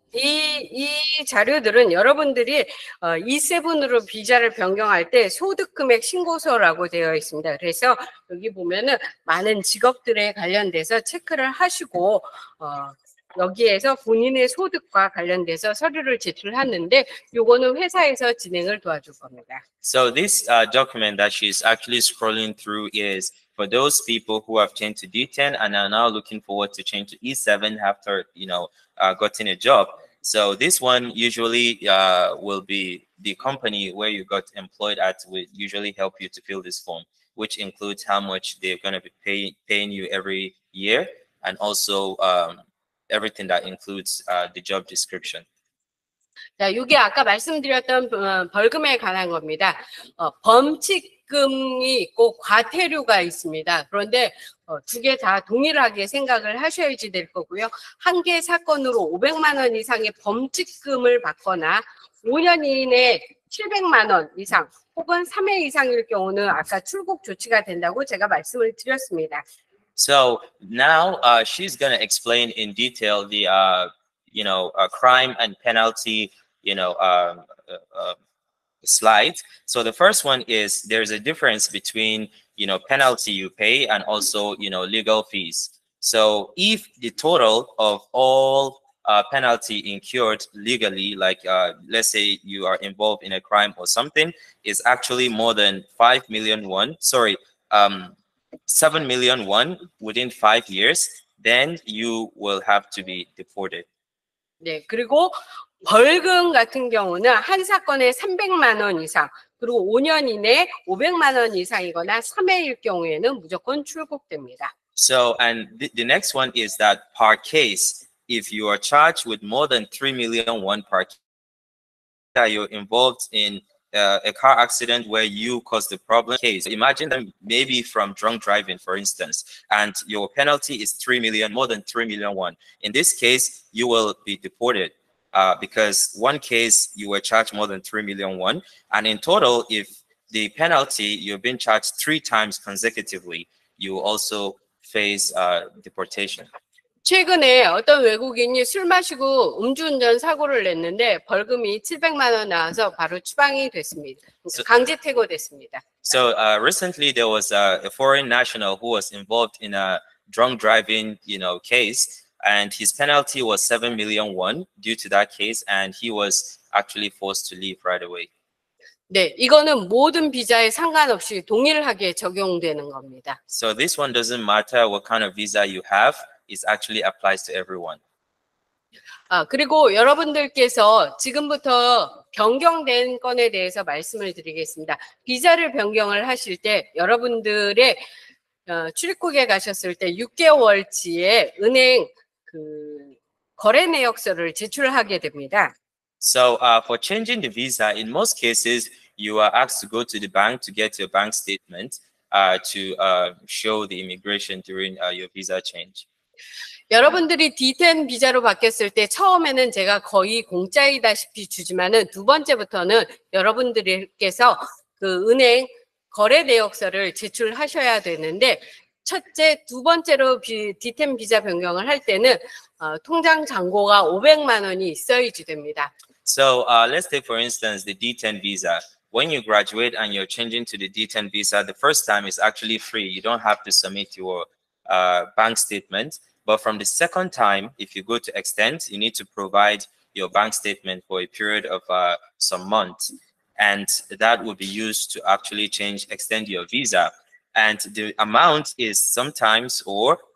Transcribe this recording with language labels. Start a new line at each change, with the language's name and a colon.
Korean: 이 자료들은 여러분들이 E7으로 비자를 변경할 때 소득금액 신고서라고 되어 있습니다. 그래서 여기 보면은 많은 직업들에 관련돼서 체크를 하시고 여기에서 본인의 소득과 관련돼서 서류를 제출하는데 요거는 회사에서 진행을 도와줄 겁니다.
English: So this document that she's actually scrolling through is for those people who have changed to D10 and are now looking forward to change to E7 after, you know, gotten a job. So this one usually will be the company where you got employed at will usually help you to fill this form, which includes how much they're going to be paying you every year and also everything that includes the job description.
Korean: 자, 이게 아까 말씀드렸던 벌금에 관한 겁니다. 범칙금이 있고 과태료가 있습니다. 그런데 두 개 다 동일하게 생각을 하셔야지 될 거고요. 한 개 사건으로 500만 원 이상의 범칙금을 받거나 5년 이내에 700만 원 이상 혹은 3회 이상일 경우는 아까 출국 조치가 된다고 제가 말씀을 드렸습니다.
English: So now she's going to explain in detail the you know, a crime and penalty, you know, slide. So the first one is there's a difference between, you know, penalty you pay and also, you know, legal fees. So if the total of all penalty incurred legally, like let's say you are involved in a crime or something, is actually more than 5 million won, sorry, 7 million won within 5 years, then you will have to be deported.
Korean: 네, 그리고 벌금 같은 경우는 한 사건에 300만 원 이상, 그리고 5년 이내 500만 원 이상이거나 3회일 경우에는 무조건 출국됩니다.
English: So, and the next one is that per case, if you are charged with more than 3 million won per case, that you're involved in a car accident where you caused the problem case. Imagine them maybe from drunk driving, for instance, and your penalty is 3 million, more than 3 million won. In this case, you will be deported because one case you were charged more than 3 million won. And in total, if the penalty you've been charged 3 times consecutively, you also face deportation.
Korean: 최근에 어떤 외국인이 술 마시고 음주운전 사고를 냈는데 벌금이 700만 원 나와서 바로 추방이 됐습니다. 강제 퇴거 됐습니다.
English: So recently there was a foreign national who was involved in a drunk driving, you know, case, and his penalty was 7 million won due to that case, and he was actually forced to leave right away.
Korean: 네, 이거는 모든 비자에 상관없이 동일하게 적용되는 겁니다.
English: So this one doesn't matter what kind of visa you have. It actually applies to everyone.
Korean: 아, 그리고 여러분들께서 지금부터 변경된 건에 대해서 말씀을 드리겠습니다. 비자를 변경을 하실 때 여러분들의 출입국에 가셨을 때 6개월치의 은행 그 거래 내역서를 제출하게 됩니다.
English: So for changing the visa, in most cases, you are asked to go to the bank to get your bank statement to show the immigration during your visa change.
Korean: 여러분들이 D10 비자로 바뀌었을 때 처음에는 제가 거의 공짜이다시피 주지만은 두 번째부터는 여러분들께서 그 은행 거래 내역서를 제출하셔야 되는데 첫째, 두 번째로 D10 비자 변경을 할 때는 통장 잔고가 500만 원이 있어야지 됩니다.
English: So let's take for instance the D10 visa. When you graduate and you're changing to the D10 visa, the first time is actually free. You don't have to submit your bank statement, but from the second time, if you go to extend, you need to provide your bank statement for a period of some months, and that will be used to actually extend your visa. And the amount is sometimes or